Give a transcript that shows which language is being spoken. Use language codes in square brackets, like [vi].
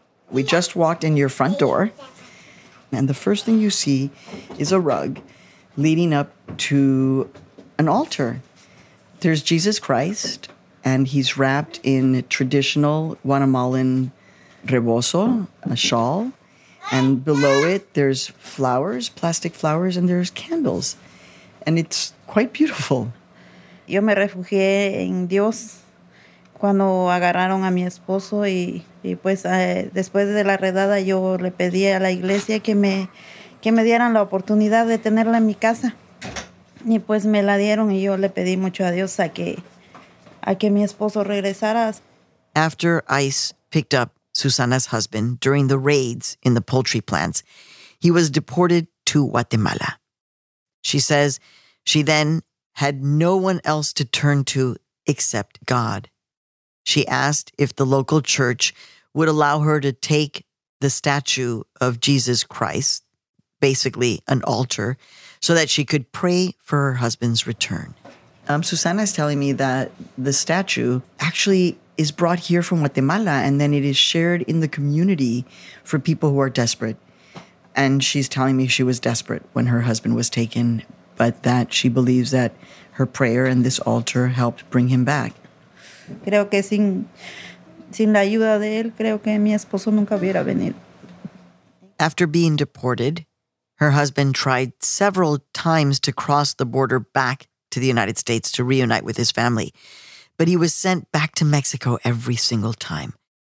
[en] We just walked in your front door, and the first thing you see is a rug leading up to an altar. There's Jesus Christ, and he's wrapped in traditional Guatemalan rebozo, a shawl. And below it, there's flowers, plastic flowers, and there's candles. And it's quite beautiful. [es] Yo me refugié en Dios cuando agarraron a mi esposo y pues después de la redada yo le pedí a la iglesia que me dieran la oportunidad de tenerla en mi casa. Y pues me la dieron y yo le pedí mucho a Dios a que mi esposo regresara. [en] After ICE picked up Susana's husband during the raids in the poultry plants, he was deported to Guatemala. She says she then had no one else to turn to except God. She asked if the local church would allow her to take the statue of Jesus Christ, basically an altar, so that she could pray for her husband's return. Susana is telling me that the statue actually is brought here from Guatemala, and then it is shared in the community for people who are desperate. And she's telling me she was desperate when her husband was taken, but that she believes that her prayer and this altar helped bring him back. [es] Creo que sin la ayuda de él, creo que mi esposo nunca hubiera venido. [en] After being deported, her husband tried several times to cross the border back to the United States to reunite with his family, but he was sent back to Mexico every single time.